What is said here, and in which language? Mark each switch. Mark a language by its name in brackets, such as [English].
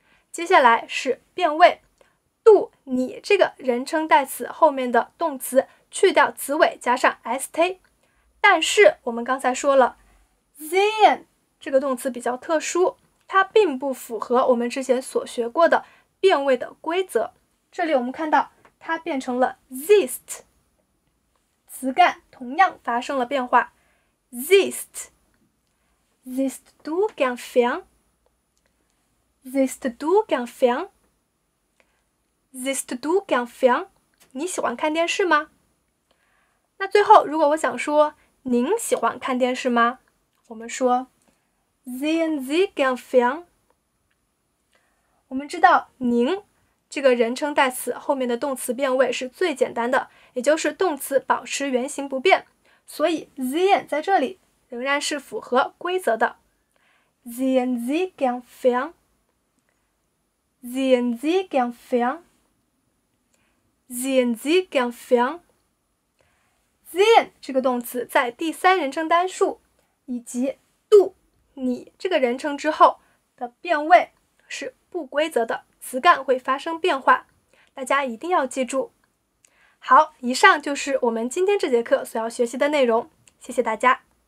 [Chinese] 接下来是变位，du 你这个人称代词后面的动词去掉词尾加上 st， 但是我们刚才说了 sehen 这个动词比较特殊，它并不符合我们之前所学过的变位的规则。这里我们看到它变成了 siehst， 词干同样发生了变化。 [German] siehst， siehst du gern fern， siehst du gern fern， siehst du gern fern， [Chinese] 你喜欢看电视吗？那最后，如果我想说您喜欢看电视吗？我们说 [German] sehen Sie gern fern。 [Chinese] 我们知道您这个人称代词后面的动词变位是最简单的，也就是动词保持原形不变，所以 sehen 在这里仍然是符合规则的。 [German] sehen Sie gern fern， sehen Sie gern fern， sehen Sie gern fern。 [Chinese] sehen 这个动词在第三人称单数以及 du 你这个人称之后的变位是不规则的，词干会发生变化，大家一定要记住。好，以上就是我们今天这节课所要学习的内容，谢谢大家。